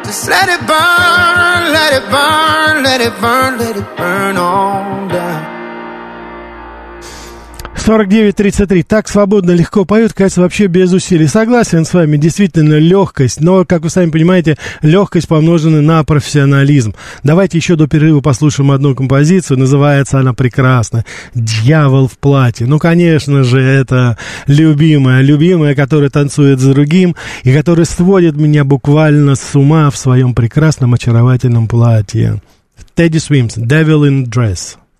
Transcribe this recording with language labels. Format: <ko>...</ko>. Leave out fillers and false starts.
<en>Let it burn, let it burn, let it burn, let it burn all down. 49.33.</en> <ru>Так свободно, легко поют, кажется, вообще без усилий. Согласен с вами, действительно, легкость. Но, как вы сами понимаете, легкость помножена на профессионализм. Давайте еще до перерыва послушаем одну композицию. Называется она прекрасно. «Дьявол в платье». Ну, конечно же, это любимая. Любимая, которая танцует с другим и которая сводит меня буквально с ума в своем прекрасном, очаровательном платье. Тедди Свимс, «Devil in Dress».</ru>